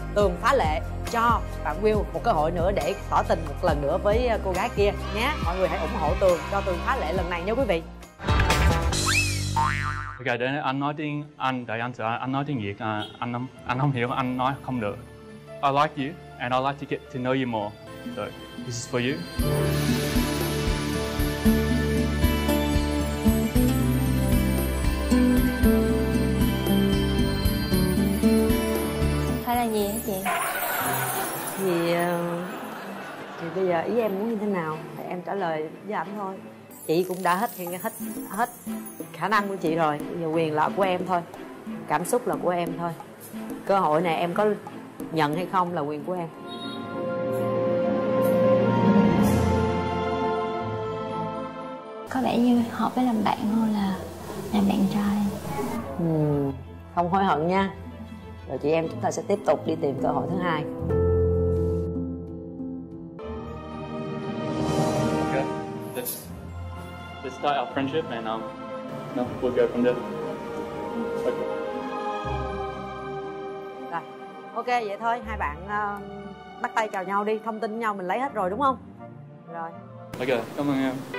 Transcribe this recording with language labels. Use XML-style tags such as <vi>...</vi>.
<vi>Tường phá lệ cho bạn Will một cơ hội nữa để tỏ tình một lần nữa với cô gái kia nhé. Mọi người hãy ủng hộ Tường cho Tường phá lệ lần này nha quý vị. Ok để anh nói tiếng Anh. Đợi anh sợ anh nói tiếng Việt anh không hiểu, anh nói không được.</vi> <en>I like you and I like to get to know you more. So, this is for you.</en> <vi>Phải là gì hả chị? Thì bây giờ ý em muốn như thế nào thì em trả lời với ảnh thôi. Chị cũng đã hết khả năng của chị rồi. Bây giờ quyền là của em thôi, cảm xúc là của em thôi. Cơ hội này em có nhận hay không là quyền của em. có vẻ như hợp với làm bạn hơn là làm bạn trai. Không hối hận nha. Rồi chị em chúng ta sẽ tiếp tục đi tìm cơ hội thứ hai.</vi> <en>Let's start our friendship and we'll go from there. Okay.</en> <vi>Rồi. Ok, vậy thôi, hai bạn bắt tay chào nhau đi, thông tin nhau mình lấy hết rồi đúng không? Rồi. Ok, cảm ơn em.</vi>